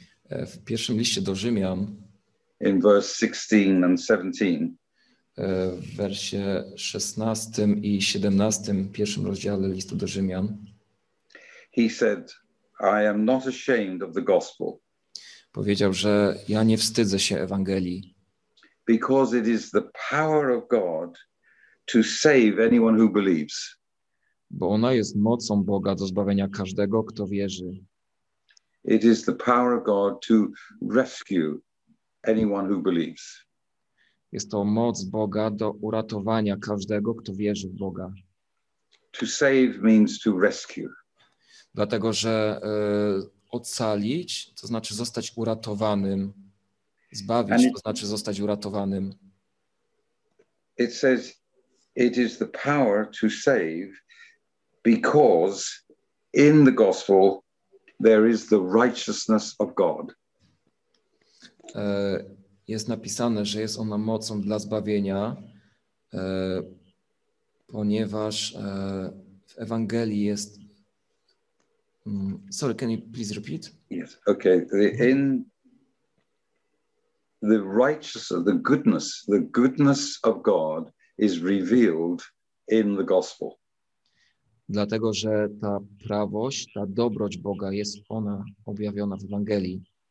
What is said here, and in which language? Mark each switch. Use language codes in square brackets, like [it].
[pl] W pierwszym liście do Rzymian. [en] In verse 16 and 17. [pl] W wersie 16 i 17 pierwszym rozdziale listu do Rzymian. [en] He said, I am not ashamed of the gospel. [pl] Powiedział, że ja nie wstydzę się Ewangelii. [en] Because it is the power of God to save anyone who believes. [pl] Bo ona jest mocą Boga do zbawienia każdego, kto wierzy. [en] It is the power of God to rescue anyone who believes. [pl] Jest to moc Boga do uratowania każdego, kto wierzy w Boga. [en] To save means to rescue. [pl] Dlatego, że ocalić, to znaczy zostać uratowanym. Zbawić, to znaczy zostać uratowanym. [en] It says it is the power to save because in the gospel there is the righteousness of God. [pl] Jest napisane, że jest ona mocą dla zbawienia, ponieważ w Ewangelii jest... [en] Sorry, can you please repeat? Yes, okay. In the righteousness, the goodness of God is revealed in the gospel. [pl] Dlatego, że ta prawość, ta dobroć Boga jest ona objawiona w Ewangelii.